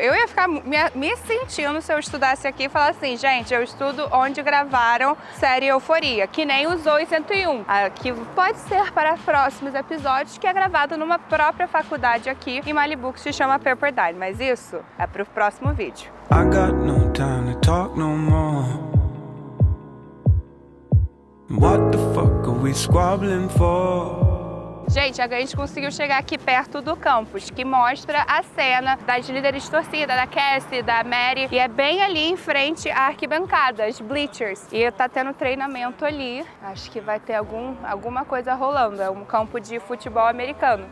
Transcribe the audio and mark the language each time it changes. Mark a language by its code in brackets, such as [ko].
[pt] Eu ia ficar me sentindo se eu estudasse aqui e falar assim, gente, eu estudo onde gravaram série Euforia, que nem os 801. Aqui pode ser para próximos episódios, que é gravado numa própria faculdade aqui em Malibu, que se chama Pepperdine, mas isso é pro próximo vídeo. [en] I got no time to talk no more. What the fuck are we squabbling for? [pt] Gente, a gente conseguiu chegar aqui perto do campus, que mostra a cena das líderes de torcida, da Cassie, da Mary. E é bem ali em frente à arquibancada, as bleachers. E tá tendo treinamento ali. Acho que vai ter alguma coisa rolando. É um campo de futebol americano.